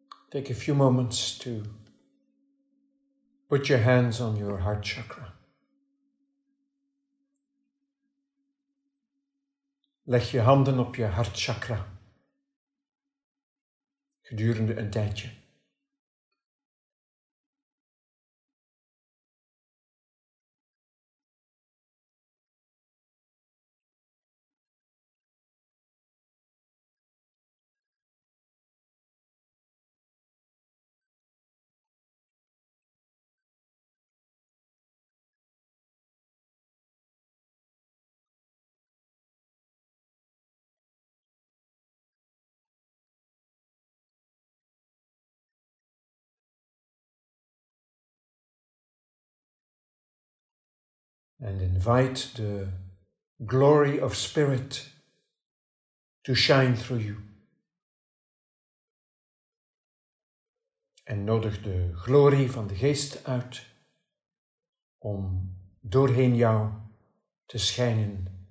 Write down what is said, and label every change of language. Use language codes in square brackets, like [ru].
[en] Take a few moments to put your hands on your heart chakra. [nl] Leg je handen op je hartchakra gedurende een tijdje. [en] And invite the glory of spirit to shine through you. [nl] En nodig de glorie van de geest uit om doorheen jou te schijnen.